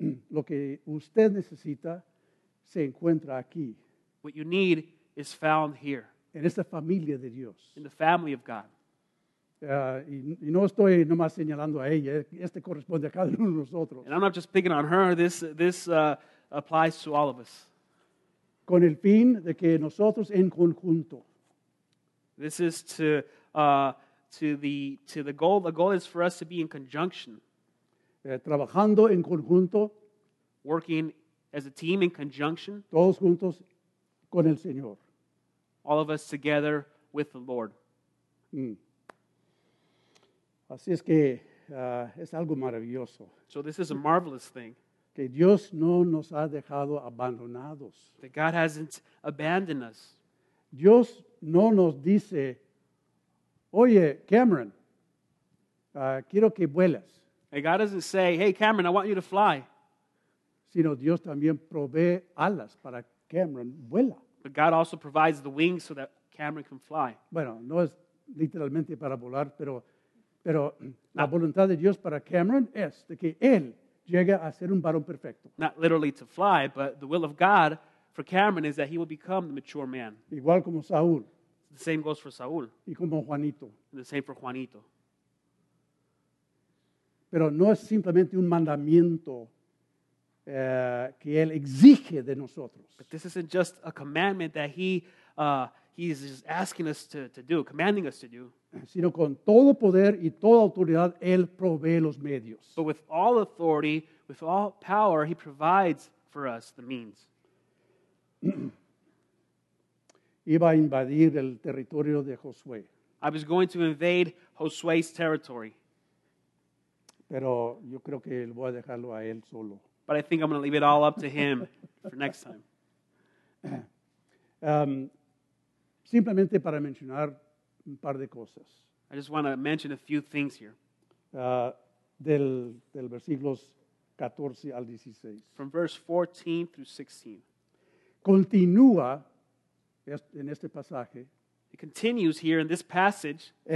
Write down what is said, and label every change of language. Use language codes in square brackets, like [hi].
[es] Lo que usted necesita se encuentra aquí. [en] What you need is found here. [es] En esta familia de Dios. [en] In the family of God. [es] Y no estoy nomás señalando a ella, este corresponde a cada uno de nosotros. [en] And I'm not just picking on her, this applies to all of us. [es] Con el fin de que nosotros en conjunto. [en] This is to the goal, the goal is for us to be in conjunction. [es] Trabajando en conjunto. [en] Working as a team in conjunction. [es] Todos juntos con el Señor. [en] all of us together with the Lord. [es] Así es que es algo maravilloso. [en] So this is a marvelous thing. [es] Que Dios no nos ha dejado abandonados. [en] That God hasn't abandoned us. [es] Dios no nos dice, oye, Cameron, quiero que vuelas. [en] And God doesn't say, hey, Cameron, I want you to fly. [es] Sino Dios también provee alas para Cameron vuela. [en] But God also provides the wings so that Cameron can fly. [es] Bueno, no es literalmente para volar, pero la voluntad de Dios para Cameron es de que él llegue a ser un varón perfecto. [en] Not literally to fly, but the will of God for Cameron is that he will become the mature man. [es] Igual como Saúl. [en] The same goes for Saúl. [es] Y como Juanito. [en] And the same for Juanito. [es] Pero no es simplemente un mandamiento que él exige de nosotros. [en] But this isn't just a commandment that he's just asking us to do, commanding us to do. [es] Sino con todo poder y toda autoridad, él provee los medios. [en] But with all authority, with all power, he provides for us the means. [es] Iba a invadir el territorio de Josué. [en] I was going to invade Josué's territory. [es] Pero yo creo que voy a dejarlo a él solo. [en] But I think I'm going to leave it all up to him for next time. [es] Simplemente para mencionar un par de cosas. [en] I just want to mention a few things here. [es] Del versículos 14 al 16. [en] From verse 14 through 16. [es] Continúa en este pasaje. [en] It continues here in this passage.